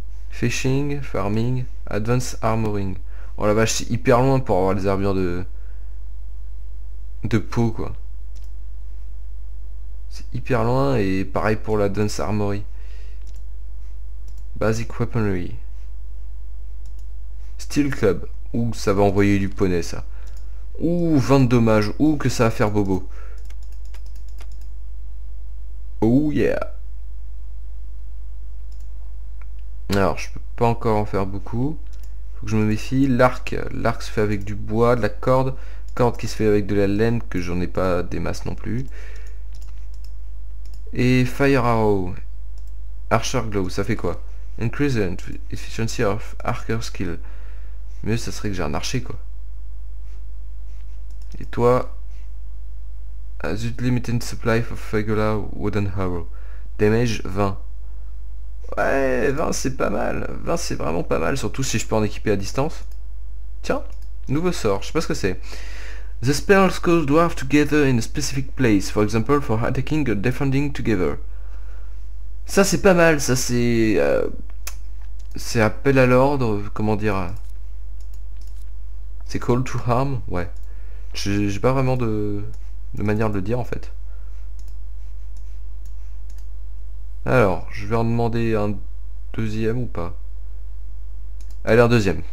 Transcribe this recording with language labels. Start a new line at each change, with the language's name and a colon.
English: Fishing, farming, advanced armoring.
French: Oh la vache, c'est hyper loin pour avoir les armures de... De peau, quoi. C'est hyper loin, et pareil pour la advanced armory. Basic weaponry. Steel club. Ouh, ça va envoyer du poney, ça. Ouh, 20 dommages. Ouh, que ça va faire bobo.
English: Oh yeah.
French: Alors, je peux pas encore en faire beaucoup. Faut que je me méfie. L'arc. L'arc se fait avec du bois, de la corde. Corde qui se fait avec de la laine, que j'en ai pas des masses non plus. Et Fire Arrow. Archer Glow, ça fait quoi?
English: Increase the efficiency of archer skill.
French: Mieux, ça serait que j'ai un archer, quoi. Et toi?
English: Azut limited supply of regular wooden arrow.
French: Damage 20. Ouais, 20 c'est pas mal. 20 c'est vraiment pas mal, surtout si je peux en équiper à distance. Tiens, nouveau sort, je sais pas ce que c'est.
English: The spells cause dwarves to gather in a specific place, for example for attacking or defending together.
French: Ça c'est pas mal, ça c'est... C'est appel à l'ordre, comment dire... C'est call to arm, ouais. J'ai pas vraiment de manière de le dire en fait. Alors, je vais en demander un deuxième ou pas. Allez, un deuxième.